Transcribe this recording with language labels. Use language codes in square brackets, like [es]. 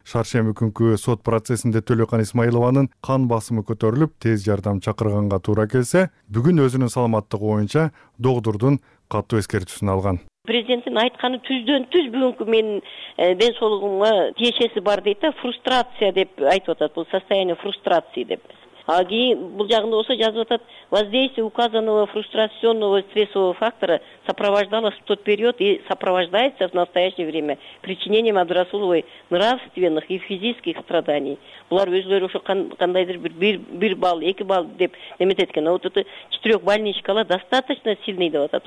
[ky] Шаршемби күнкү сот процессинде Төлөкан Исмаилованын кан басымы көтөрүлүп, тез жардам чакырганга туура келсе, бүгүн өзүнүн саламаттыгы боюнча доктурдун катуу эскертүүсүн алган. Президенттин айтканы түздөн түз бүгүнкү менин ден соолугума тиешеси бар дейт да, фрустрация деп айтып атат, бул [ru] состояние фрустрации [ky] деп. А кийин бул жагында болсо жазып атат: [ru] воздействие указанного фрустрационного стрессового фактора сопровождалось в тот период и сопровождается в настоящее время причинением Абдрасуловой нравственных и физических страданий. [ky] Булар өзүлөрү ошо кандайдыр бир балл, эки балл деп эметет экен. [ru] Вот это четырехбальничкалар достаточно сильный [ky] деп атат.